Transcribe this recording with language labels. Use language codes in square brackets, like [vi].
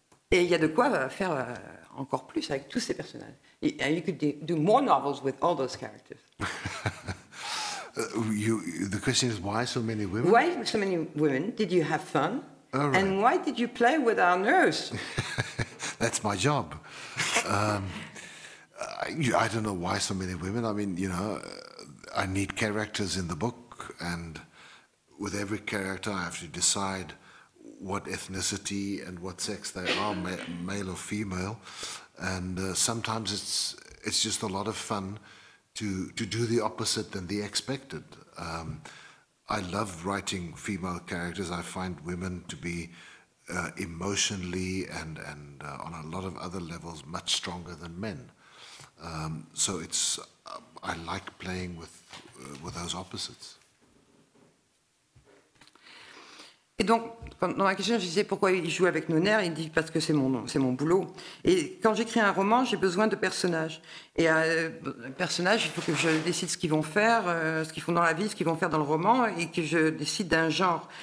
[fr] Et il y a de quoi faire encore plus avec tous ces personnages. [en] And you could do more novels with all those characters. The question is, why so many women? Why so many women? Did you have fun? Right. And why did you play with our nurse? That's my job. I don't know why so many women. I mean, you know, I need characters in the book, and with every character, I have to decide what ethnicity and what sex they are, male or female. And sometimes it's just a lot of fun to do the opposite than the expected. I love writing female characters. I find women to be emotionally and on a lot of other levels much stronger than men. So it's I like playing with those opposites. [fr] Et donc, dans ma question, je disais pourquoi il joue avec nos nerfs. Il dit parce que c'est mon boulot. Et quand j'écris un roman, j'ai besoin de personnages. Et un personnage, il faut que je décide ce qu'ils vont faire, ce qu'ils font dans la vie, ce qu'ils vont faire dans le roman, et que je décide d'un genre.